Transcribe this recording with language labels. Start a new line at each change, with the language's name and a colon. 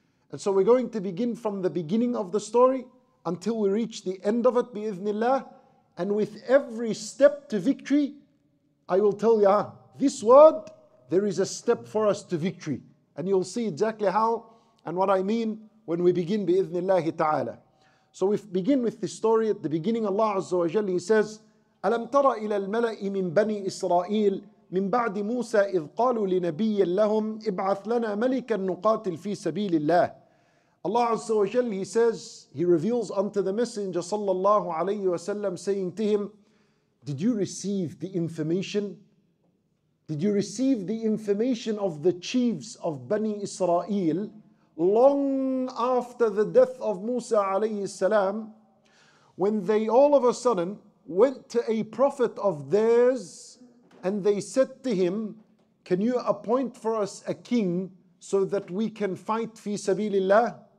English: And so we're going to begin from the beginning of the story until we reach the end of it, bi-ithnillah. And with every step to victory, I will tell you, this word, there is a step for us to victory. And you'll see exactly how and what I mean when we begin bi-ithnillahi ta'ala. So we begin with the story at the beginning.
Arabic: Allah Azza wa Jalla,
English: He says,
Arabic: أَلَمْ تَرَ إِلَى الْمَلَإِ مِنْ بَنِي إِسْرَائِيلِ مِنْ بَعْدِ مُوسَى إِذْ قَالُوا لِنَبِيٍّ لَهُمْ إِبْعَثْ لَنَا مَلِكًا نُقَاتِلْ فِي سَبِيلِ اللَّهِ.
English: Allah Azza wa Jalla, He says, He reveals unto the Messenger sallallahu alayhi wa sallam, saying to him, did you receive the information? Did you receive the information of the chiefs of Bani Israel long after the death of Musa alayhi salam, when they all of a sudden went to a prophet of theirs and they said to him, can you appoint for us a king so that we can fight fi sabilillah?